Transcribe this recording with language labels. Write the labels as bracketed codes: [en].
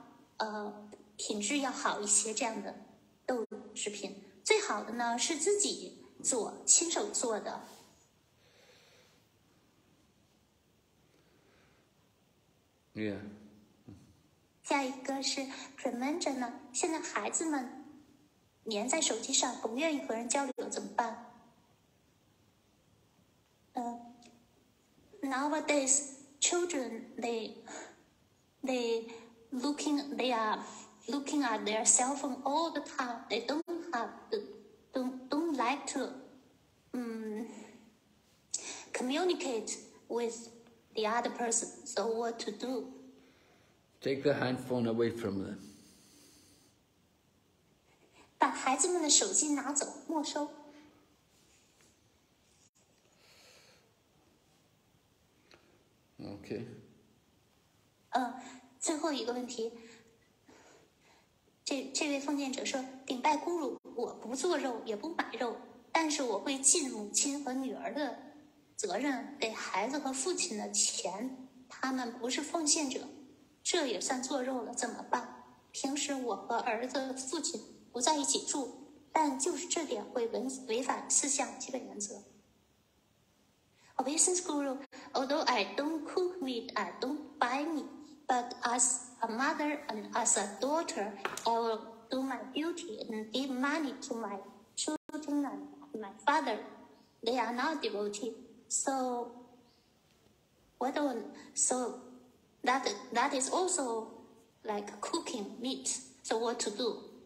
[zh] 就是有的做豆腐的人呢，一边抽着烟呢，他自己还吃肉，然后这样的人呢，做的豆腐呢，就差点。然后比这个好一点的呢，是那些就是奉献者做的、虔诚的人士啊，比如说佛教徒做的，这就要品质要好一些这样的。豆制品最好的呢是自己做亲手做的。下一个是Premanja呢，现在孩子们粘在手机上，不愿意和人交流怎么办？ [en] Nowadays, children they are looking at their cell phone all the time. They don't like to communicate with the other person. So what to do? Take the handphone away from them. [zh] 把孩子们的手机拿走，没收。 [en] Okay. [zh] 最后一个问题。这位奉献者说：“顶拜咕噜，我不做肉，也不买肉，但是我会尽母亲和女儿的责任，给孩子和父亲的钱。他们不是奉献者，这也算做肉了，怎么办？平时我和儿子、父亲不在一起住，但就是这点会违反四项基本原则。” [en] Obeisance Guru, although I don't cook meat, I don't buy meat, but as a mother and as a daughter, I will do my duty and give money to my children and my father. they are not devotees. So that is also like cooking meat. So what to do?